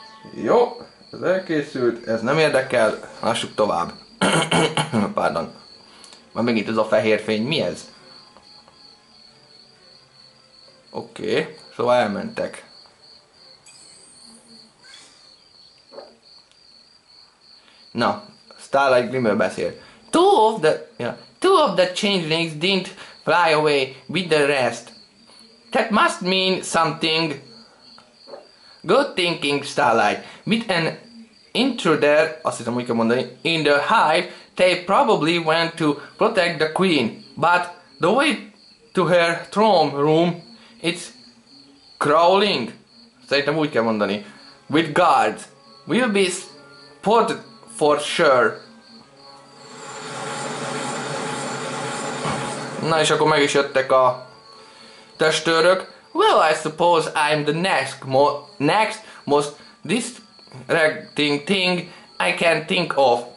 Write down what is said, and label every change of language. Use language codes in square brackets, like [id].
[hu] Okay. Jó, ez elkészült, ez nem érdekel, lássuk tovább. Pardon. Már megint ez a fehér fény, mi ez? Oké, okay. Szóval elmentek. Na. Starlight Glimmer beszél. [en] Two of the changelings didn't fly away with the rest. That must mean something. Good thinking, Starlight. With an intruder, [hu] azt hiszem úgy kell mondani, [en] in the hive, they probably went to protect the queen. But the way to her throne room, it's crawling. [hu] Szerintem úgy kell mondani. [en] With guards. We'll be spotted for sure. [hu] Na és akkor meg is jöttek a testőrök. [en] Well, I suppose I'm the next most distracting thing I can think of.